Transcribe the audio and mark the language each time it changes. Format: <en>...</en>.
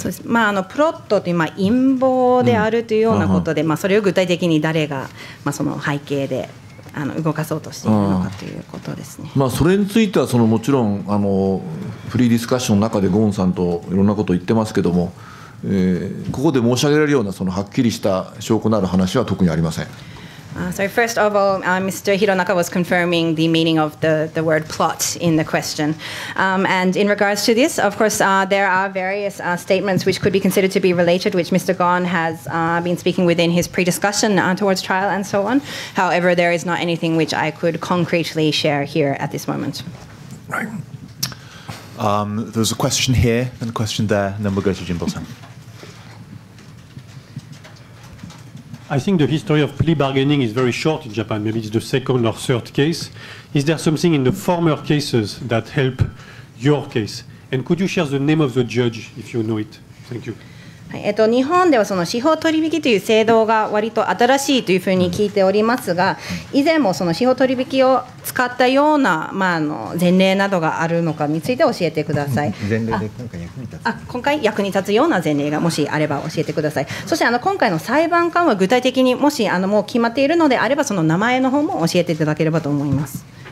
<ja>そうです、まあ、プロットという、まあ、陰謀であるというようなことで、うん、まあ、それを具体的に誰が、まあ、その背景で動かそうとしているのかということですね。まあ、それについてはそのもちろんフリーディスカッションの中でゴーンさんといろんなことを言ってますけども、ここで申し上げられるようなそのはっきりした証拠のある話は特にありません。</ja> <en>So first of all, Mr. Hironaka was confirming the meaning of the word plot in the question. And in regards to this, of course, there are various statements which could be considered to be related, which Mr. Ghosn has been speaking within his pre-discussion towards trial and so on. However, there is not anything which I could concretely share here at this moment. Right. There's a question here, then a question there, and then we'll go to Jimbo-san. I think the history of plea bargaining is very short in Japan. Maybe it's the second or third case. Is there something in the former cases that help your case? And could you share the name of the judge if you know it? Thank you.</en> <ja>日本ではその司法取引という制度が割と新しいというふうに聞いておりますが、以前もその司法取引を使ったような、まあ、前例などがあるのかについて教えてください。前例で今回役に立つ、今回役に立つような前例がもしあれば教えてください。そして今回の裁判官は具体的にもしもう決まっているのであれば、その名前の方も教えていただければと思います。</ja>